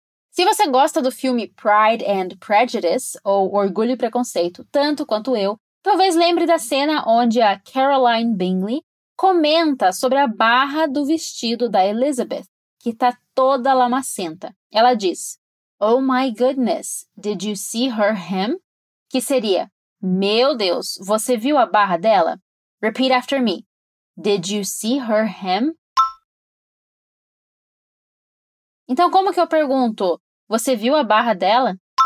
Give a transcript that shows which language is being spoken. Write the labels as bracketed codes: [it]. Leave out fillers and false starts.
[pt] Se você gosta do filme Pride and Prejudice, ou Orgulho e Preconceito, tanto quanto eu, talvez lembre da cena onde a Caroline Bingley comenta sobre a barra do vestido da Elizabeth, que está toda lamacenta. Ela diz, [en] Oh my goodness, did you see her him? [pt] Que seria, meu Deus, você viu a barra dela? [en] Repeat after me. Did you see her him? [pt] Então, como que eu pergunto? Você viu a barra dela?